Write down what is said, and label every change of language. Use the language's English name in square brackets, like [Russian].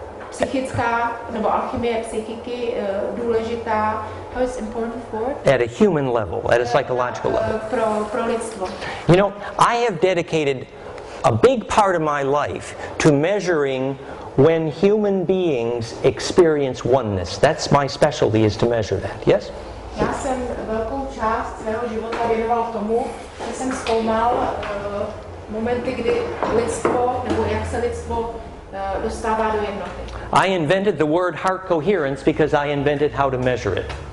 [Czech] Psychická nebo alchymie psychiky důležitá. [English] How is important for? At a human level, at a psychological level. [Czech] Pro lidstvo. [English] You know, I have dedicated a big part of my life to measuring when human beings experience oneness. That's my specialty, is to measure that. Yes? [Czech] Já jsem velkou část svého života věnoval tomu, že jsem zkoumal momenty, kdy lidstvo, nebo jak se lidstvo dostává do jednoty. [English] I invented the word heart coherence because I invented how to measure it.